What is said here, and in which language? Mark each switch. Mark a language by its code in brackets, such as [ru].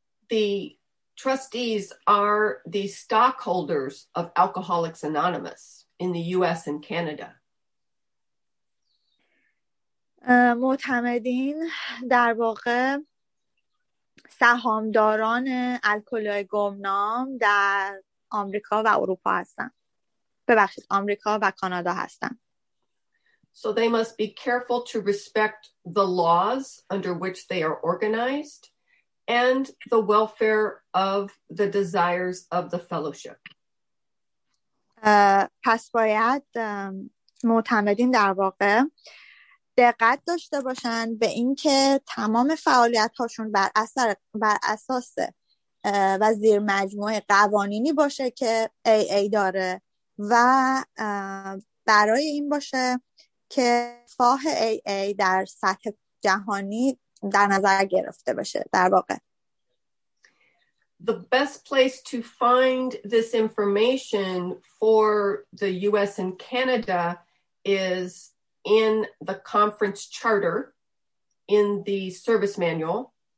[en] The trustees are the stockholders of Alcoholics Anonymous in the US and Canada. [fa] معتمدین در واقع سهامداران الکلی‌های گمنام در آمریکا و اروپا هستند. ببخشید آمریکا و کانادا هستند. [en] So they must be careful to respect the laws under which they are organized and the welfare of the desires of the fellowship. [fa] پس باید معتمدین در واقع دقت داشته باشن به اینکه تمام فعالیت هاشون بر اساس و زیر مجموعه قوانینی باشه که AA داره و برای این باشه که فاه AA در سطح جهانی در نظر گرفته بشه. در واقع [en] The best place to find this information for the US and Canada is in the conference charter, in the service manual,